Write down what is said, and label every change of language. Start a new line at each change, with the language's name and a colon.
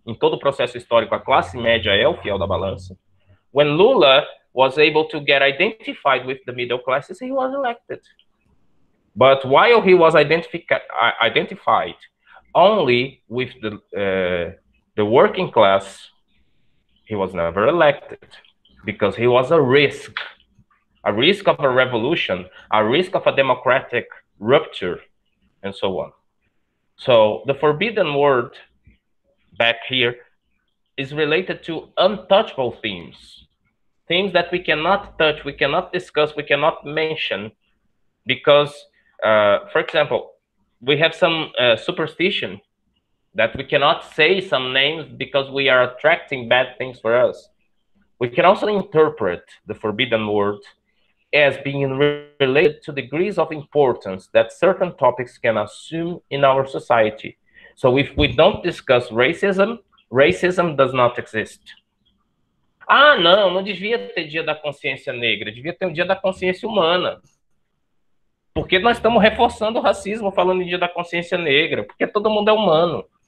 Portuguese: Em todo processo histórico, a classe média é o fiel da balança.
English: When Lula was able to get identified with the middle classes, he was elected. But while he was identified, only with the working class, he was never elected, because he was a risk of a revolution, a risk of a democratic rupture, and so on. So the forbidden word back here is related to untouchable themes that we cannot touch, we cannot discuss, we cannot mention, because for example, we have some superstition that we cannot say some names because we are attracting bad things for us. We can also interpret the forbidden word as being related to degrees of importance that certain topics can assume in our society. So if we don't discuss racism, racism does not exist.
Portuguese: Ah, não devia ter dia da consciência negra, devia ter um dia da consciência humana. Porque nós estamos reforçando o racismo falando em dia da consciência negra? Porque todo mundo é humano.